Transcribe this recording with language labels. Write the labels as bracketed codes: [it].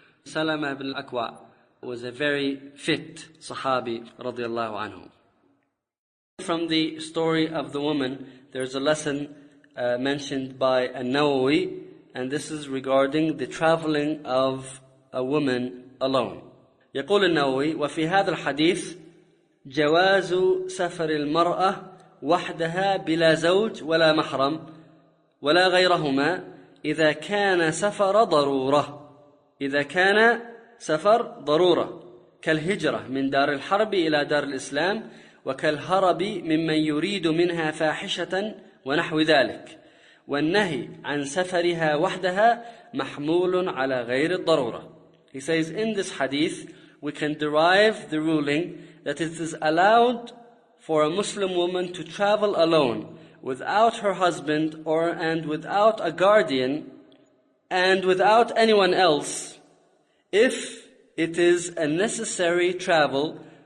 [en] Salama ibn al-Akwa was a very fit Sahabi radiallahu anhu. From the story of the woman, there's a lesson mentioned by An-Nawawi, and this is regarding the traveling of a woman alone. [ar] يقول النووي: وفي هذا الحديث جواز سفر المرأة وحدها بلا زوج ولا محرم ولا غيرهما إذا كان سفر ضرورة، إذا كان سفر ضرورة كالهجرة من دار الحرب إلى دار الإسلام، وكالهرب ممن يريد منها فاحشة ونحو ذلك، والنهي عن سفرها وحدها محمول على غير الضرورة. [en] He says, in this hadith, we can derive the ruling that it is allowed for a Muslim woman to travel alone without her husband or and without a guardian and without anyone else if it is a necessary travel.